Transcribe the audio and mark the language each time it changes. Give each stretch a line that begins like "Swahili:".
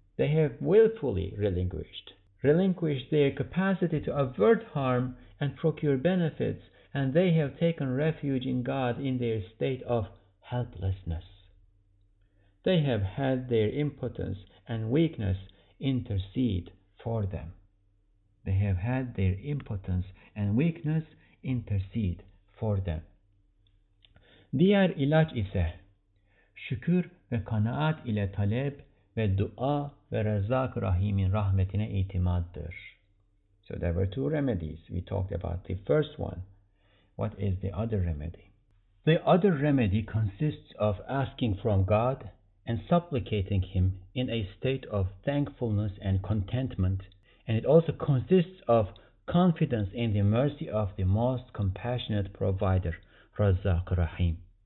English: They have willfully relinquished their capacity to avert harm and procure benefits, and they have taken refuge in God in their state of helplessness. They have had their impotence and weakness intercede for them. They have had their impotence and weakness intercede for them.
Turkish: Diğer ilaç ise, şükür ve kanaat ile talep ve dua ve Rezzak Rahim'in rahmetine itimaddır.
English: So there were two remedies. We talked about the first one. What is the other remedy? The other remedy consists of asking from God and supplicating Him in a state of thankfulness and contentment. And it also consists of confidence in the mercy of the most compassionate provider, Rezzak Rahim.